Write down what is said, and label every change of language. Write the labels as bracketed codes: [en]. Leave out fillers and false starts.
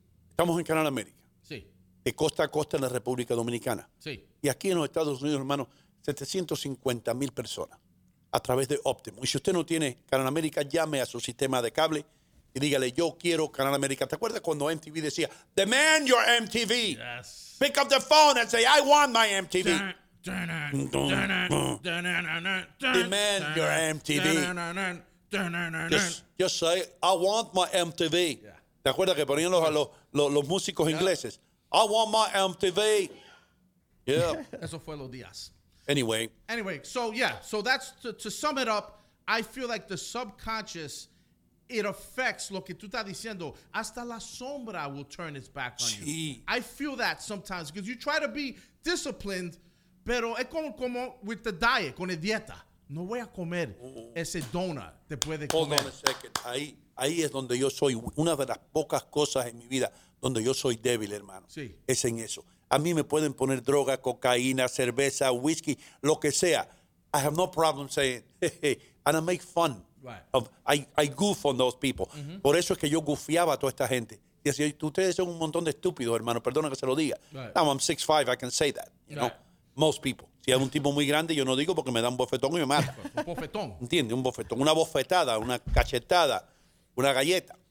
[es] Estamos en Canal América. Sí. De costa a costa en la República Dominicana. Sí. Y aquí en los Estados Unidos, hermano, 750 mil personas. A través de Optimum. Y si usted no tiene Canal América, llame a su sistema de cable y dígale, yo quiero Canal América. ¿Te acuerdas cuando MTV decía, [en] demand your MTV? Yes. Pick up the phone and say, I want my MTV. Demand your MTV. Just say, I want my MTV. Yeah. [es] ¿Te acuerdas que ponían los músicos ingleses? [en] I want my MTV. Yeah. [es] Eso fue los días. [en] Anyway, so yeah, so that's to sum it up, I feel like the subconscious, it affects [es] lo que tú estás diciendo. Hasta la sombra [en] will turn its back on you. I feel that sometimes because you try to be disciplined, [es] pero es como [en] with the diet, [es] con la dieta. No voy a comer ese donut después de comer. [en] Hold on a second. [es] Ahí es donde yo soy. Una de las pocas cosas en mi vida donde yo soy débil, hermano. Sí. Es en eso. A mí me pueden poner droga, cocaína, cerveza, whisky, lo que sea. [en] I have no problem saying, and I make fun. Right. I goof on those people. [es] Mm-hmm. Por eso es que yo goofiaba a toda esta gente. Y así, ustedes son un montón de estúpidos, hermano. Perdona que se lo diga. [en] Right. Now I'm 6'5", I can say that. You know? Most people. [es] Si es un tipo muy grande, yo no digo porque me da un bofetón y me mata. Un bofetón. ¿Entiendes? Un bofetón. Una bofetada, una cachetada, una galleta.